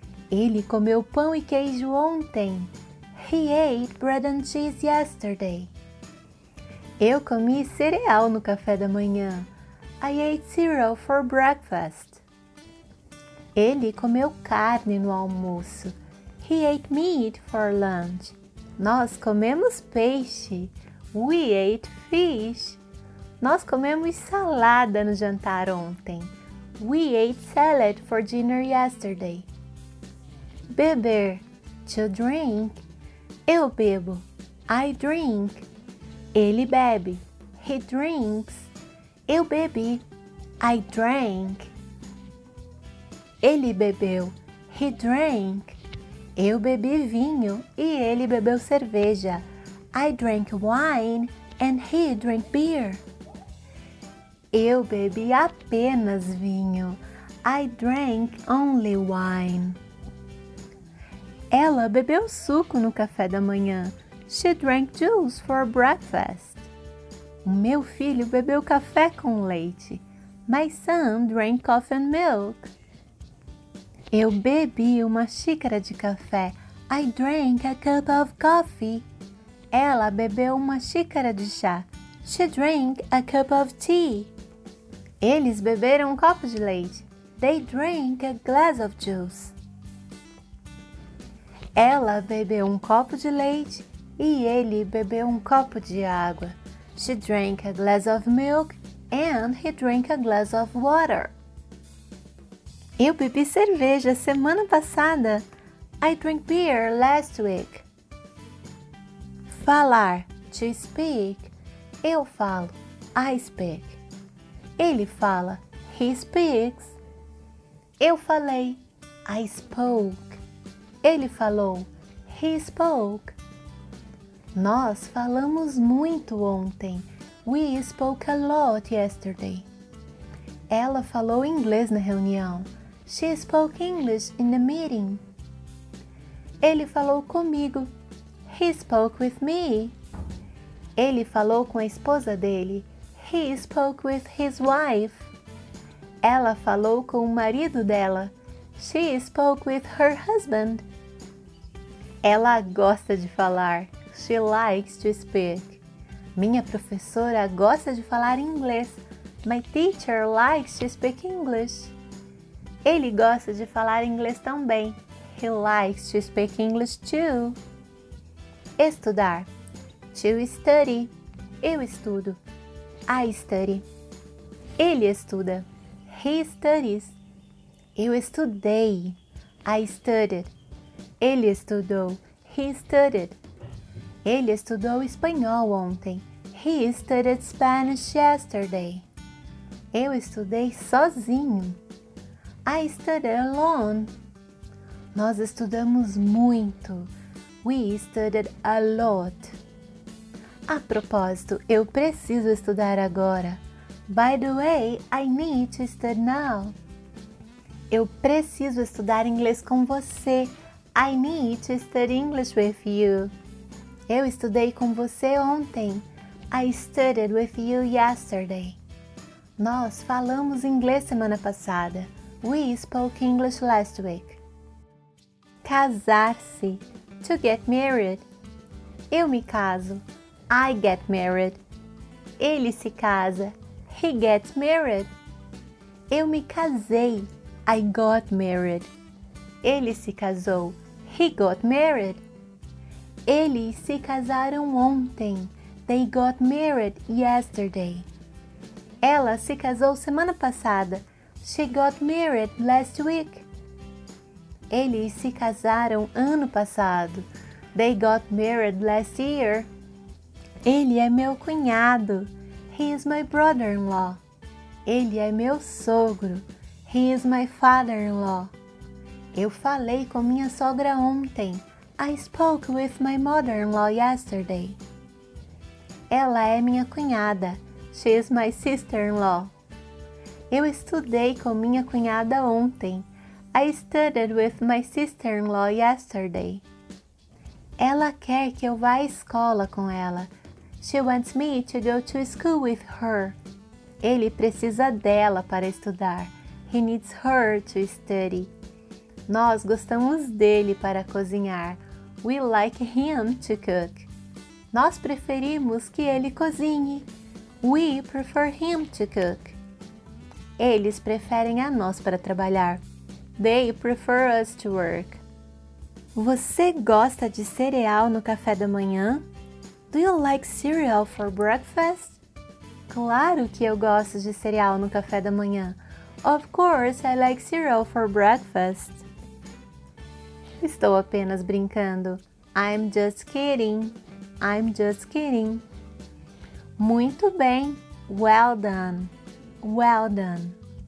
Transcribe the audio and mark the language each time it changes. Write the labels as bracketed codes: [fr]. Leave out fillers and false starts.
[pt] Ele comeu pão e queijo ontem. [en] He ate bread and cheese yesterday. [pt] Eu comi cereal no café da manhã. [en] I ate cereal for breakfast. [pt] Ele comeu carne no almoço. [en] He ate meat for lunch. [pt] Nós comemos peixe. [en] We ate fish. [pt] Nós comemos salada no jantar ontem. [en] We ate salad for dinner yesterday. [pt] Beber, [en] to drink. [pt] Eu bebo. [en] I drink. [pt] Ele bebe. [en] He drinks. [pt] Eu bebi. [en] I drank. [pt] Ele bebeu. [en] He drank. [pt] Eu bebi vinho e ele bebeu cerveja. [en] I drank wine and he drank beer. [pt] Eu bebi apenas vinho. [en] I drank only wine. [pt] Ela bebeu suco no café da manhã. [en] She drank juice for breakfast. [pt] Meu filho bebeu café com leite. [en] My son drank coffee and milk. [pt] Eu bebi uma xícara de café. [en] I drank a cup of coffee. [pt] Ela bebeu uma xícara de chá. [en] She drank a cup of tea. [pt] Eles beberam um copo de leite. [en] They drank a glass of juice. [pt] Ela bebeu um copo de leite e ele bebeu um copo de água. [en] She drank a glass of milk and he drank a glass of water. [pt] Eu bebi cerveja semana passada. [en] I drank beer last week. [pt] Falar, [en] to speak. [pt] Eu falo, [en] I speak. [pt] Ele fala, [en] he speaks. [pt] Eu falei, [en] I spoke. [pt] Ele falou, [en] he spoke. [pt] Nós falamos muito ontem. [en] We spoke a lot yesterday. [pt] Ela falou inglês na reunião. [en] She spoke English in the meeting. [pt] Ele falou comigo. [en] He spoke with me. [pt] Ele falou com a esposa dele. [en] He spoke with his wife. [pt] Ela falou com o marido dela. [en] She spoke with her husband. [pt] Ela gosta de falar. [en] She likes to speak. [pt] Minha professora gosta de falar inglês. [en] My teacher likes to speak English. [pt] Ele gosta de falar inglês também. [en] He likes to speak English too. [pt] Estudar. [en] To study. [pt] Eu estudo. [en] I study. [pt] Ele estuda. [en] He studies. [pt] Eu estudei. [en] I studied. [pt] Ele estudou. [en] He studied. [pt] Ele estudou espanhol ontem. [en] He studied Spanish yesterday. [pt] Eu estudei sozinho. [en] I studied alone. [pt] Nós estudamos muito. [en] We studied a lot. [pt] A propósito, eu preciso estudar agora. [en] By the way, I need to study now. [pt] Eu preciso estudar inglês com você. [en] I need to study English with you. [pt] Eu estudei com você ontem. [en] I studied with you yesterday. [pt] Nós falamos inglês semana passada. [en] We spoke English last week. [pt] Casar-se. [en] To get married. [pt] Eu me caso. [en] I get married. [pt] Ele se casa. [en] He gets married. [pt] Eu me casei. [en] I got married. [pt] Ele se casou. [en] He got married. [pt] Eles se casaram ontem. [en] They got married yesterday. [pt] Ela se casou semana passada. [en] She got married last week. [pt] Eles se casaram ano passado. [en] They got married last year. [pt] Ele é meu cunhado. [en] He is my brother-in-law. [pt] Ele é meu sogro. [en] He is my father-in-law. [pt] Eu falei com minha sogra ontem. [en] I spoke with my mother-in-law yesterday. [pt] Ela é minha cunhada. [en] She is my sister-in-law. [pt] Eu estudei com minha cunhada ontem. [en] I studied with my sister-in-law yesterday. [pt] Ela quer que eu vá à escola com ela. [en] She wants me to go to school with her. [pt] Ele precisa dela para estudar. [en] He needs her to study. [pt] Nós gostamos dele para cozinhar. [en] We like him to cook. [pt] Nós preferimos que ele cozinhe. [en] We prefer him to cook. [pt] Eles preferem a nós para trabalhar. [en] They prefer us to work. [pt] Você gosta de cereal no café da manhã? [en] Do you like cereal for breakfast? [pt] Claro que eu gosto de cereal no café da manhã. [en] Of course, I like cereal for breakfast. [pt] Estou apenas brincando. [en] I'm just kidding. I'm just kidding. [pt] Muito bem. [en] Well done. Well done.